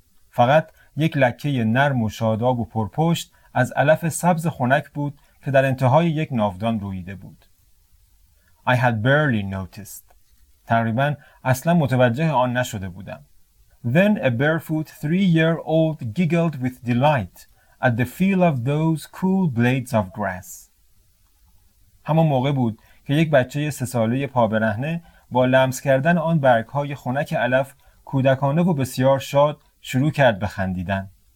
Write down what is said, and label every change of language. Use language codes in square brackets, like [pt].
[fa] فقط یک لکه نرم و شاداب و پرپشت از علف سبز خنک بود که در انتهای یک ناودان رویده بود. [en] I had barely noticed. [fa] تقریبا اصلا متوجه آن نشده بودم. [en] Then a barefoot three-year-old giggled with delight at the feel of those cool blades of grass. [fa] همون موقع بود که یک بچه 3 ساله پابرهنه با لمس کردن آن برگ‌های خنک علف کودکانه و بسیار شاد شروع کرد به خندیدن.